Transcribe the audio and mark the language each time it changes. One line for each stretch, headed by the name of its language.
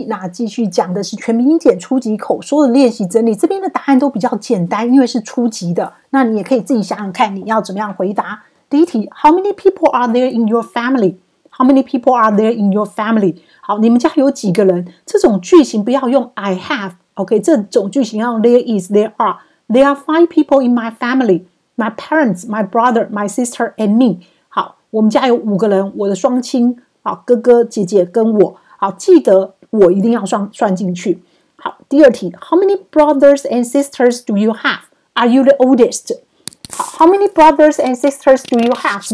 Chinese: 那继续讲的是全民英检初级口说的练习真理，这边的答案都比较简单，因为是初级的，那你也可以自己想想看你要怎么样回答。
English: 第一题， How many people are there in your family? How many people are there in your family?
Chinese: 好，你们家有几个人，这种句型不要用
English: I have， OK，
Chinese: 这种句型要用
English: there is， there are， There are five people in my family， My parents， my brother， my sister and me。
Chinese: 好，我们家有五个人，我的双亲，好，哥哥姐姐跟我。好，记得我一定要算进去。
English: 好，第二题， How many brothers and sisters do you have? Are you the oldest? 好， How many brothers and sisters do you have?